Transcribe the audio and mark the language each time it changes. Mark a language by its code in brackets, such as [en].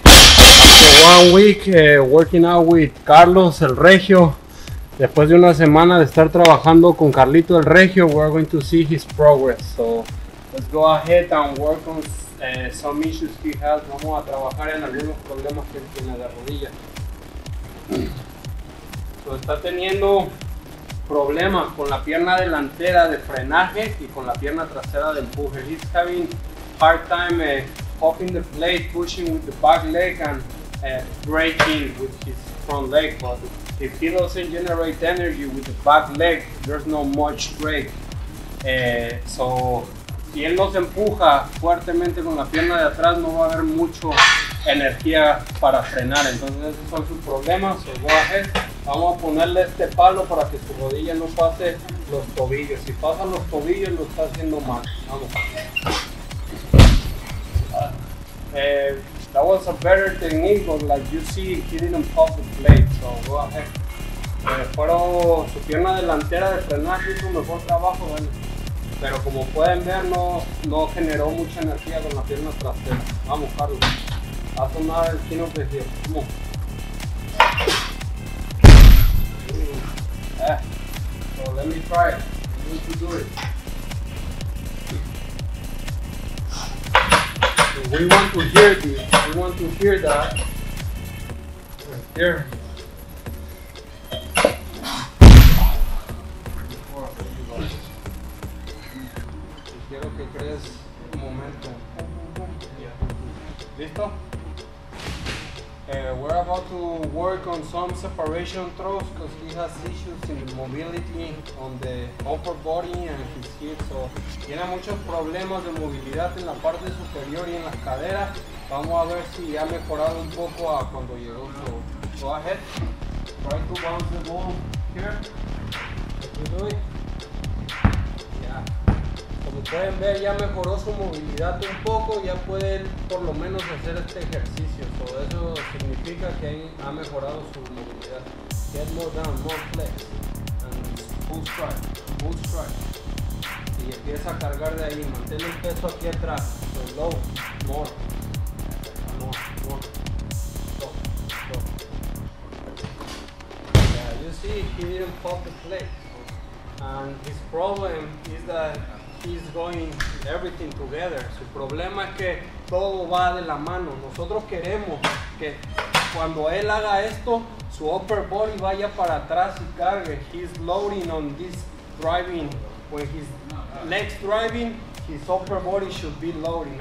[en] After one week working out with Carlos, el Regio. [es] Después de una semana de estar trabajando con Carlito, el Regio, [en] we're going to see his progress. So, let's go ahead and work on some issues he has. [es] Vamos a trabajar en algunos problemas que tiene de rodillas. Está teniendo problemas con la pierna delantera de frenaje y con la pierna trasera de empuje. [en] He's having hard time hopping the plate, pushing with the back leg and breaking with his front leg. But if he doesn't generate energy with the back leg, there's no much break. [es] So si él no se empuja fuertemente con la pierna de atrás, no va a haber mucho energía para frenar. Entonces esos son sus problemas. [en] So go ahead. [es] Vamos a ponerle este palo para que su rodilla no pase los tobillos. Si pasa los tobillos, lo está haciendo mal. Vamos. [en] That was a better technique, but like you see, he didn't pop the plate. So go ahead. [es] Pero su pierna delantera de frenar hizo un mejor trabajo. Bueno, pero como pueden ver, no generó mucha energía con la pierna trasera. Vamos, Carlos. A tomar el chino de giro. Vamos. [en] So let me try it. I'm going to do it. So we want to hear this. We want to hear that. Right here. [es] Quiero que crees un momento. Listo? [en] We're about to work on some separation throws because he has issues in the mobility on the upper body and his hips. [es] So, tiene muchos problemas de movilidad en la parte superior y en las caderas. Vamos a ver si ha mejorado un poco a cuando llegó. [en] So, go ahead. Try to bounce the ball here. You do it. [es] Como pueden ver, ya mejoró su movilidad un poco, ya puede por lo menos hacer este ejercicio. So eso significa que ha mejorado su movilidad. [en] Get more down, more flex. And full strike, full strike. [es] Y empieza a cargar de ahí, mantén el peso aquí atrás. [en] So low, more. Go. Yeah, you see, he didn't pop the plate. And his problem is that he's going everything together. [es] Su problema es que todo va de la mano. Nosotros queremos que cuando él haga esto, su [en] upper body [es] vaya para atrás y cargue. [en] He's loading on this driving. When his legs driving, his upper body should be loading.